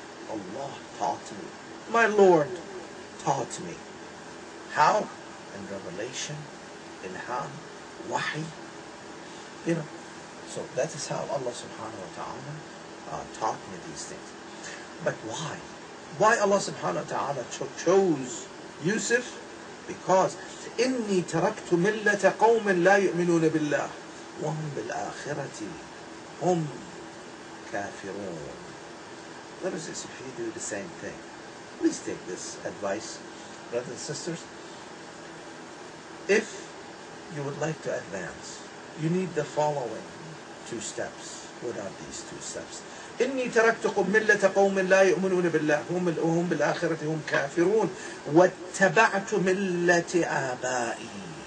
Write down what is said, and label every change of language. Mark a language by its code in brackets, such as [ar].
[en] Allah taught me. My Lord taught me. How? In revelation, ilham, wahi. You know, so that is how Allah subhanahu wa ta'ala taught me these things. But why? Why Allah subhanahu wa ta'ala chose Yusuf? Because [ar] إِنِّي تَرَكْتُ مِلَّةَ قَوْمٍ لَا يُؤْمِنُونَ بِاللَّهِ وَهُمْ بِالْآخِرَةِ هُمْ كَافِرُونَ. [en] Brothers and sisters, if you do the same thing, please take this advice, brothers and sisters. If you would like to advance, you need the following two steps. What are these two steps? [ar] إِنِّي تَرَكْتُكُمْ مِلَّةَ قَوْمٍ لَا يُؤْمِنُونَ بِاللَّهِ وَهُمْ بِالْآخِرَةِ هُمْ كَافِرُونَ وَاتَّبَعْتُ مِلَّةِ آبَائِي.